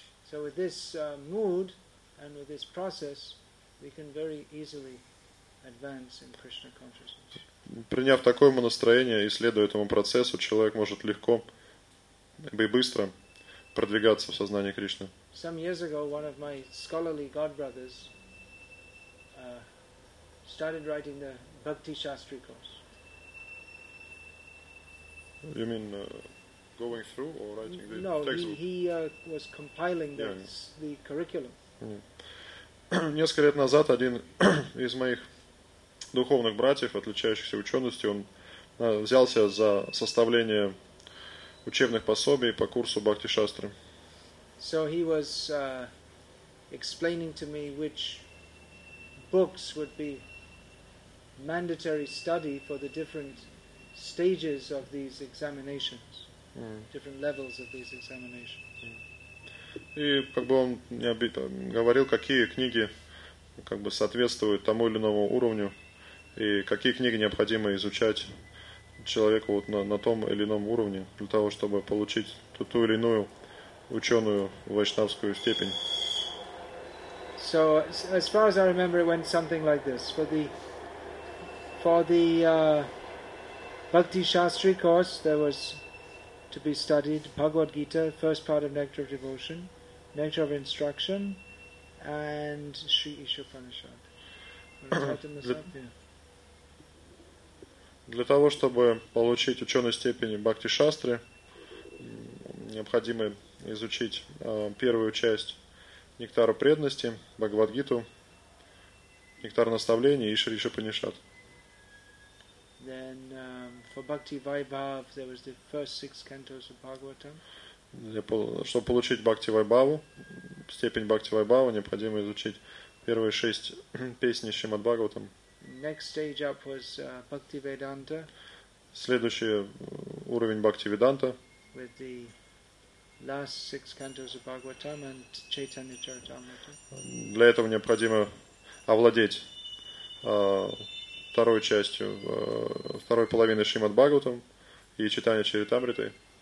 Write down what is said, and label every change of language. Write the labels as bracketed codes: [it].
[en] So with this mood and with this process, we can very easily advance in Krishna consciousness. [ru] Приняв такое настроение и следуя этому процессу, человек может легко и быстро продвигаться в сознании Кришны. [en] Some years ago, one of my scholarly god brothers started writing the Bhakti Shastri course. You mean going through or writing the textbook? No, he was compiling the curriculum. [ru] Несколько лет назад один из моих духовных братьев, отличающихся ученостью, он взялся за составление учебных пособий по курсу Бхакти-шастры. [en] So he was explaining to me which books would be mandatory study for the different stages of these examinations, different levels of these examinations. [ru] И как бы он мне говорил, какие книги как бы соответствуют тому или иному уровню, и какие книги необходимо изучать человеку вот на том или ином уровне, для того, чтобы получить ту или иную ученую вайшнавскую степень. [en] So, as far as I remember, it went something like this. For the Bhakti Shastri course, there was to be studied Bhagavad Gita, first part of Nectar of Devotion, Nectar of Instruction, and Sri Isha Upanishad. [ru] Для того, чтобы получить ученой степени Бхакти-шастры, необходимо изучить первую часть Нектара преданности, Бхагавад-гиту, Нектар наставления и Шри-Шупанишад. [en] Then for Bhakti Vaibhav there was the first six cantos of Bhagavatam. [ru] Чтобы получить Бхакти Вайбаву, степень Бхакти Вайбава, необходимо изучить первые шесть песни Шримад Бхагаватам. [en] Next stage up was Bhakti Vedanta. [ru] Следующий уровень Бхакти Веданта. [en] With the last six cantos of Bhagavatam and Chaitanya Charitamrita. [ru] Для этого необходимо овладеть второй частью, второй половиной Шримад Бхагаватам и Чайтанья Чаритамритой.